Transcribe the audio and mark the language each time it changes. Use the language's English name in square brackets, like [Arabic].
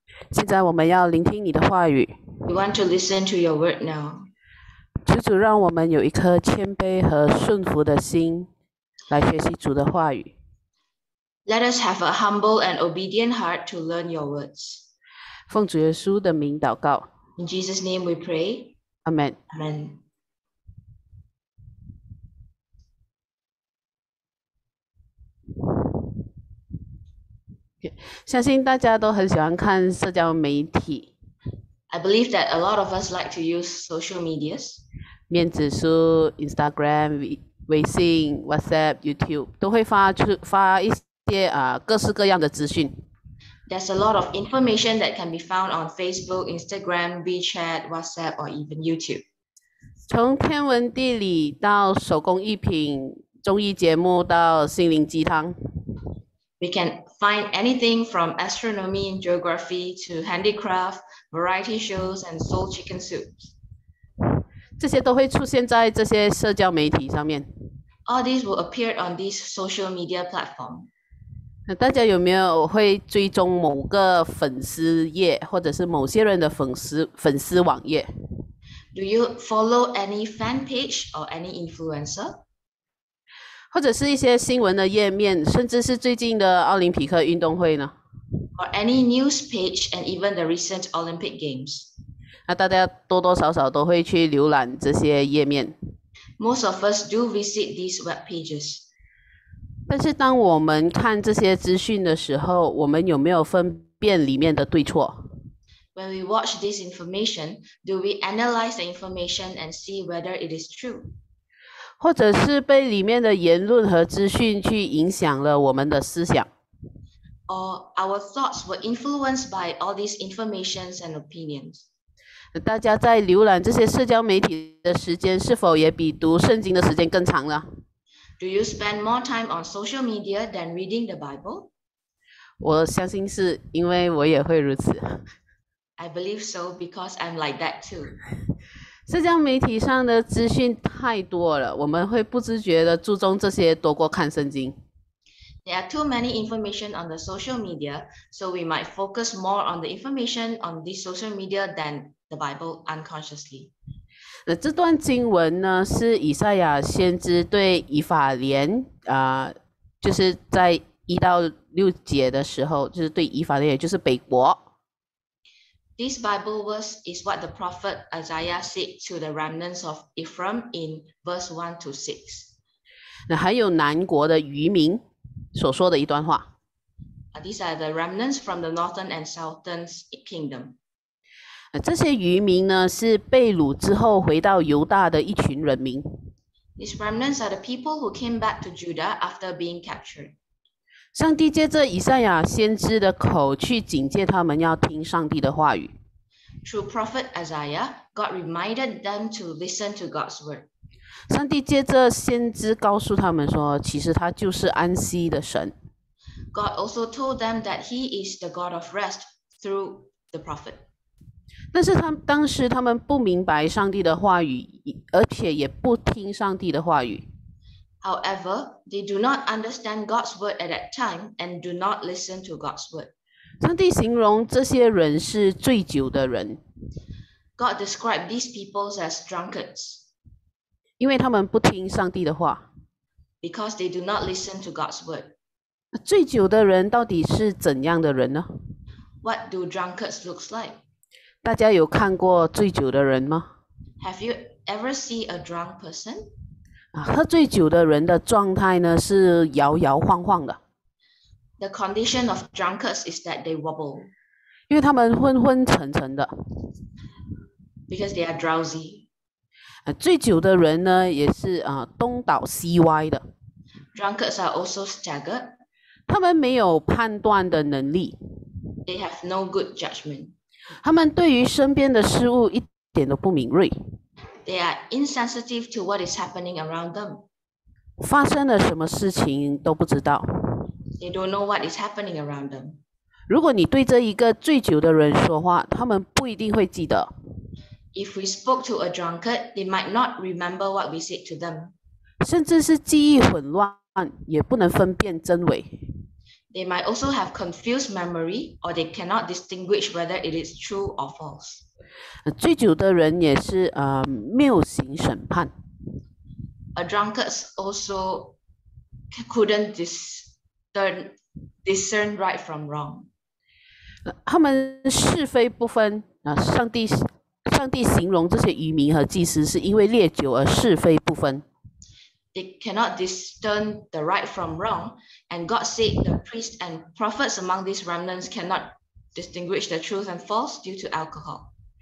[Chinese] 现在我们要聆听你的话语。 [English] We want to listen to your word now. [Chinese] 求主让我们有一颗谦卑和顺服的心来学习主的话语。 [English] Let us have a humble and obedient heart to learn your words. [Chinese] 奉主耶稣的名祷告。 [English] In Jesus' name we pray. Amen. Amen. [Chinese] 相信大家都很喜欢看社交媒体。 [English] I believe that a lot of us like to use social medias. [Chinese] 面子书、Instagram、微信、WhatsApp、YouTube 都会发一些各式各样的资讯。 [English] There's a lot of information that can be found on Facebook, Instagram, WeChat, WhatsApp, or even YouTube. [Chinese] 从天文地理到手工艺品、综艺节目到心灵鸡汤。 [English] We can find anything from astronomy and geography to handicraft, variety shows, and soul chicken soups. [Chinese] 这些都会出现在这些社交媒体上面。 [English] All these will appear on these social media platforms. [Chinese] 大家有没有会追踪某个粉丝页或者是某些人的粉丝网页 [English] ？Do you follow any fan page or any influencer？ [Chinese] 或者是一些新闻的页面，甚至是最近的奥林匹克运动会呢 [English] ？Or any news page and even the recent Olympic Games？ [Chinese] 那大家多多少少都会去浏览这些页面。 [English] Most of us do visit these web pages. [Chinese] 但是当我们看这些资讯的时候，我们有没有分辨里面的对错 [English] ？When we watch this information, do we analyze the information and see whether it is true? [Chinese] 或者是被里面的言论和资讯去影响了我们的思想 [English] ？Or our thoughts were influenced by all these informations and opinions? [Chinese] 大家在浏览这些社交媒体的时间，是否也比读圣经的时间更长了？ [English] Do you spend more time on social media than reading the Bible? [Chinese] 我相信是因为我也会如此。 [English] I believe so because I'm like that too. [Chinese] 社交媒体上的资讯太多了，我们会不自觉地注重这些多过看圣经。 [English] There are too many information on the social media, so we might focus more on the information on this social media than the Bible unconsciously. [Chinese] 这段经文呢，是以赛亚先知对以法莲就是在一到六节的时候，就是对以法莲，也就是北国。 [English] This Bible verse is what the prophet Isaiah said to the remnants of Ephraim in verse 1-6. [Chinese] 那还有南国的渔民所说的一段话。 [English] These are the remnants from the northern and southern kingdom. [Chinese] 这些渔民呢，是被掳之后回到犹大的一群人民。 [English] These remnants are the people who came back to Judah after being captured. [Chinese] 上帝借着以赛亚先知的口去警戒他们要听上帝的话语。 [English] Through prophet Isaiah, God reminded them to listen to God's word. [Chinese] 上帝借着先知告诉他们说，其实他就是安息的神。 [English] God also told them that he is the God of rest through the prophet. [Chinese] 但是当时他们不明白上帝的话语，而且也不听上帝的话语。 [English] However, they do not understand God's word at that time and do not listen to God's word. [Chinese] 上帝形容这些人是醉酒的人。 [English] God described these people as drunkards. [Chinese] 因为他们不听上帝的话。 [English] Because they do not listen to God's word. [Chinese] 醉酒的人到底是怎样的人呢？ [English] What do drunkards look like? [Chinese] 大家有看过醉酒的人吗？ [English] Have you ever seen a drunk person? [Chinese] 喝醉酒的人的状态呢，是摇摇晃晃的。 [English] The condition of drunkards is that they wobble. [Chinese] 因为他们昏昏沉沉的。 [English] Because they are drowsy. [Chinese] 醉酒的人呢，也是东倒西歪的。 [English] Drunkards are also staggered. [Chinese] 他们没有判断的能力。 [English] They have no good judgment. [Chinese] 他们对于身边的事物一点都不敏锐。 [English] They are insensitive to what is happening around them. [Chinese] 发生了什么事情都不知道。 [English] They don't know what is happening around them. [Chinese] 如果你对这一个醉酒的人说话，他们不一定会记得。 [English] If we spoke to a drunkard, they might not remember what we said to them. [Chinese] 甚至是记忆混乱，也不能分辨真伪。 [English] They might also have confused memory, or they cannot distinguish whether it is true or false. [Chinese] 醉酒的人也是谬行审判。 [English] A drunkard also couldn't discern right from wrong. [Chinese] 他们是非不分上帝形容这些渔民和祭司是因为烈酒而是非不分。 [English] They cannot discern the right from wrong, and God said the priests and prophets among these remnants cannot distinguish the truth and false due to alcohol.